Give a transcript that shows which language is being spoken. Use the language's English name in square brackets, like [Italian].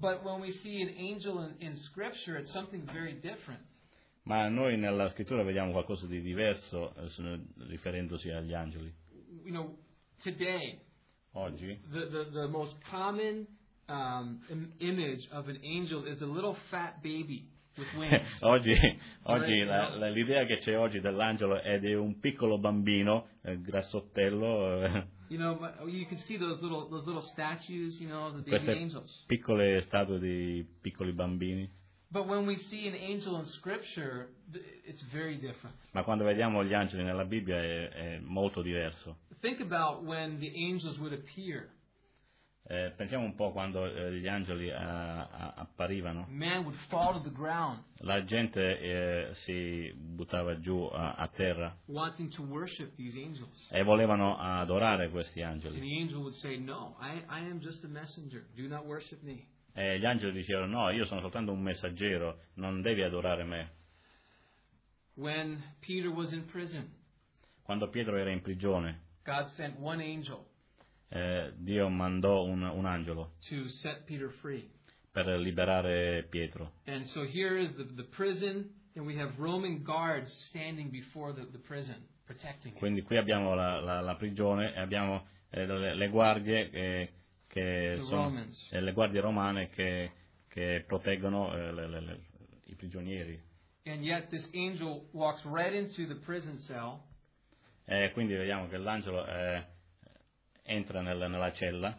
[English] But when we see an angel in scripture, it's something very different. [Italian] Ma noi nella scrittura vediamo qualcosa di diverso riferendosi agli angeli. [English] You know, today. [Italian] Oggi. [English] The most common image of an angel is a little fat baby with wings. [Italian] oggi l'idea che c'è oggi dell'angelo è di un piccolo bambino grassottello. [English] You know, you can see those little statues, you know, the baby [Italian] queste [English] angels. [Italian] Piccole statue di piccoli bambini. [English] But when we see an angel in scripture, it's very different. [Italian] Ma quando vediamo gli angeli nella Bibbia è molto diverso. [English] Think about when the angels would appear. [Italian] Pensiamo un po' quando gli angeli apparivano. [English] Man would fall to the ground. [Italian] La gente si buttava giù a terra. [English] Wanting to worship these angels. [Italian] E volevano adorare questi angeli. [English] And the angel would say, "No, I am just a messenger. Do not worship me." [Italian] E gli angeli dicevano: no, io sono soltanto un messaggero, non devi adorare me. [English] When Peter was in prison, [Italian] quando Pietro era in prigione, [English] God sent one angel, [Italian] Dio mandò un angelo [English] to set Peter free. [Italian] Per liberare Pietro. [English] And so here is the prison, and we have Roman guards standing before the prison, protecting. [Italian] Quindi qui abbiamo la prigione e abbiamo le guardie che sono le guardie romane che proteggono i prigionieri. [English] And yet this angel walks right into the prison cell. [Italian] E quindi vediamo che l'angelo entra nella cella.